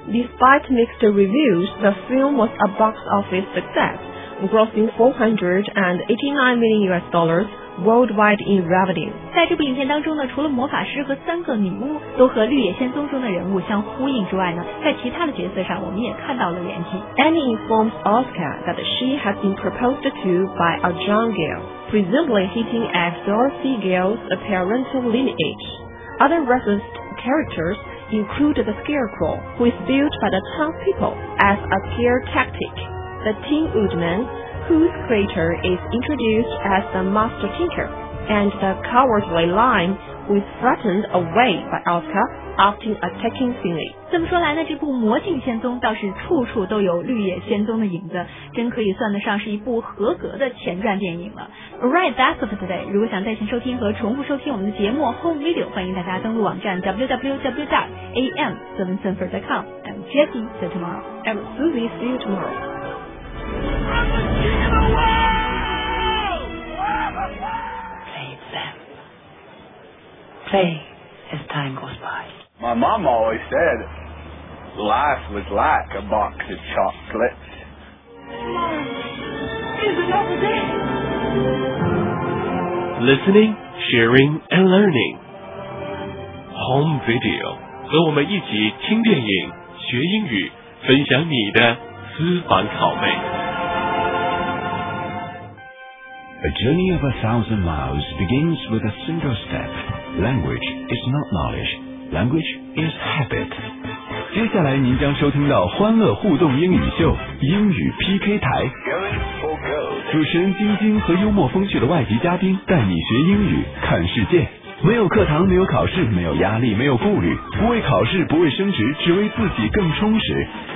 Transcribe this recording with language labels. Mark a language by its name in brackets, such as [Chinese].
[English] Despite mixed reviews, the film was a box office success, grossing $489 million worldwide in revenue. [Chinese] 在这部影片当中呢，除了魔法师和三个女巫都和绿野仙踪中的人物相呼应之外呢，在其他的角色上我们也看到了联系。 [English] Annie informs Oscar that she has been proposed to by a John Gale. Presumably hitting at Dorothy Gale's parental lineage. Other referenced characters include the Scarecrow, who is built by the townspeople as a scare tactic, the Tin Woodman, whose creator is introduced as the Master Tinker, and the Cowardly Lion, who is threatened away by Oscar. After attacking Finley. [Chinese] 这么说来呢，这部魔镜仙踪倒是处处都有绿野仙踪的影子，真可以算得上是一部合格的前传电影了。 [English] Right, that's it for today. [Chinese] 如果想在线收听和重复收听我们的节目 Home Video, 欢迎大家登录网站 www.am7sinford.com. [English] I'm Jackie, see you tomorrow. I'm Susie, see you tomorrow. Play them. PlayAs time goes by. My mom always said, life was like a box of chocolates. Listening, sharing, and learning. Home Video. [Chinese] 和我们一起听电影，学英语，分享你的私房拷贝。 [English] A journey of 1,000 miles begins with a single step. Language is not knowledge. Language is habit. [Chinese] 接下来您将收听到欢乐互动英语秀英语 PK 台。主持人晶晶和幽默风趣的外籍嘉宾带你学英语看世界。没有课堂，没有考试，没有压力，没有顾虑，不为考试，不为升职，只为自己更充实。